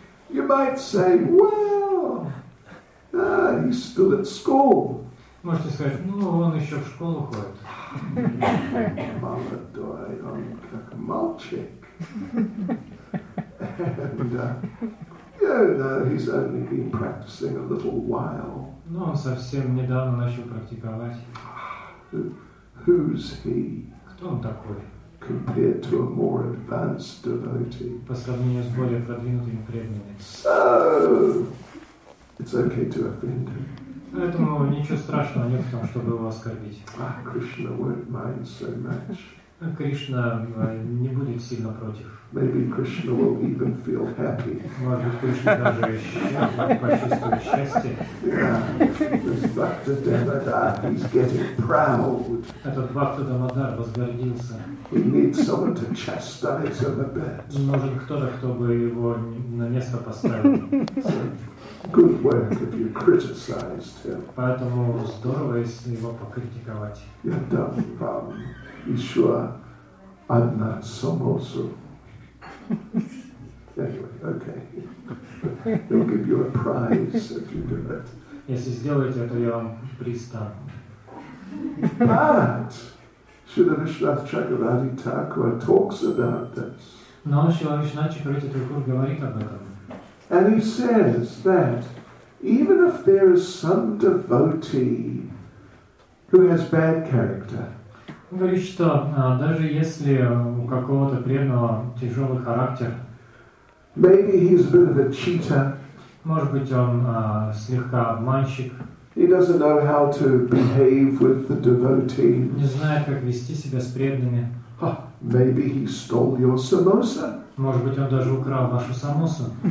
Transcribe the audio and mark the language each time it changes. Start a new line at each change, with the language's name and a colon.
English: You might say, well, he's still at school.
Russian: Можете сказать, ну, он еще в школу ходит. Молодой, он как мальчик.
English: And, he's only been practicing a little while.
Russian: Ну, он совсем недавно начал практиковать.
English: Who's he?
Russian: Кто он такой?
English: Compared to a more advanced devotee.
Russian: По сравнению с более продвинутыми преданными.
English: So, it's okay to offend him.
Russian: Поэтому ничего страшного нет в том, чтобы его оскорбить.
English: Ah, Krishna won't mind so much.
Russian: Кришна не будет сильно против.
English: Maybe Krishna will even feel happy.
Russian: Может быть, Кришна даже почувствует счастье.
English: This Bhakta Damodar, he's getting proud.
Russian: Этот Бхакта Дамодар возгордился.
English: He needs someone to chastise him a bit.
Russian: Нужен кто-то, кто бы его на место поставил.
English: Good work if you criticized him.
Russian: Поэтому здорово, если его покритиковать. You're done, Ишуа Адна Сомосу.
English: Anyway, okay. They'll give you a prize if you do it.
Russian: Если сделаете это, я вам приз дам.
English: But Śrīla Viṣṇuvārtha Chakravarti Thakura talks about this.
Russian: Но Śrīla Viṣṇuvārtha Chakravarti Thakura говорит об этом.
English: And he says that even if there is some devotee who has bad character,
Russian: он говорит, что даже если у какого-то преданного тяжелый характер,
English: maybe he's a bit of a cheater,
Russian: может быть, он слегка обманщик,
English: he doesn't know how to behave with the devotee,
Russian: не знает, как вести себя с преданными,
English: oh, maybe he stole your samosa,
Russian: может быть, он даже украл вашу самосу.